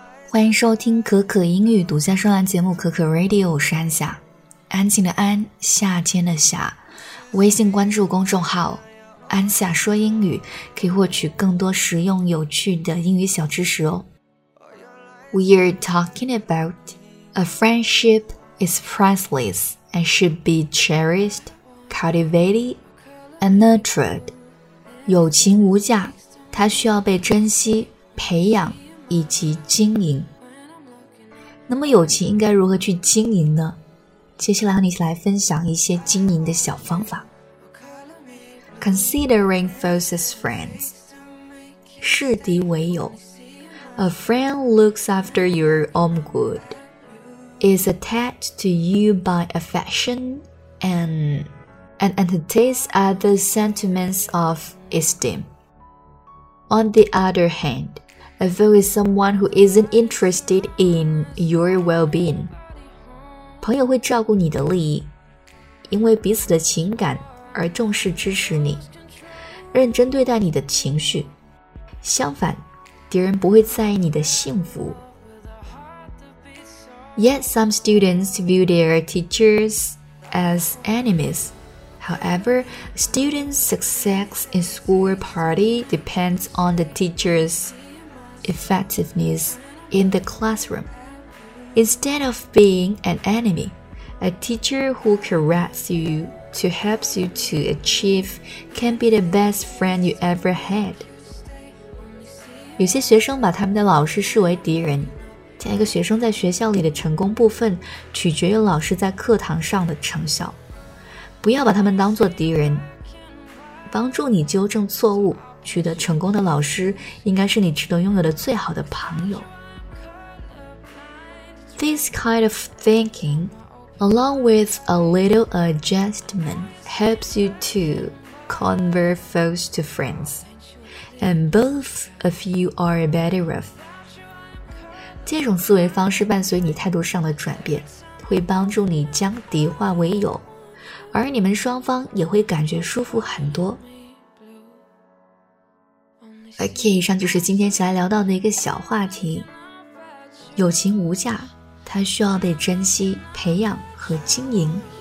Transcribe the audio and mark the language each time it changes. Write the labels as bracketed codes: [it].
[zh] 欢迎收听可可英语独家专栏节目可可 Radio， 我是安夏，安静的安，夏天的夏。微信关注公众号安夏说英语，可以获取更多实用有趣的英语小知识哦。 [en] We're talking about a friendship is priceless and should be cherished, cultivated and nurtured. [zh] 友情无价，它需要被珍惜培养以及经营。那么友情应该如何去经营呢？接下来和你一起来分享一些经营的小方法。 [en] Considering foes as friends. [zh] 视敌为友。 [en] A friend looks after your own good, is attached to you by affection, and entertains other sentiments of esteem. On the other hand,A foe is someone who isn't interested in your well-being. [zh] 朋友会照顾你的利益，因为彼此的情感而重视支持你，认真对待你的情绪。相反，敌人不会在意你的幸福。 [en] Yet some students view their teachers as enemies. However, students' success in school party depends on the teacher's. Effectiveness in the classroom. Instead of being an enemy, a teacher who corrects you to help you to achieve can be the best friend you ever had. [zh] 有些学生把他们的老师视为敌人，将一个学生在学校里的成功部分取决于老师在课堂上的成效。不要把他们当作敌人，帮助你纠正错误。取得成功的老师应该是你值得拥有的最好的朋友。 [en] This kind of thinking, along with a little adjustment, helps you to convert foes to friends, and both of you are better off. [zh] 这种思维方式伴随你态度上的转变，会帮助你将敌化为友，而你们双方也会感觉舒服很多。 OK， 以上就是今天起来聊到的一个小话题。友情无价，它需要被珍惜、培养和经营。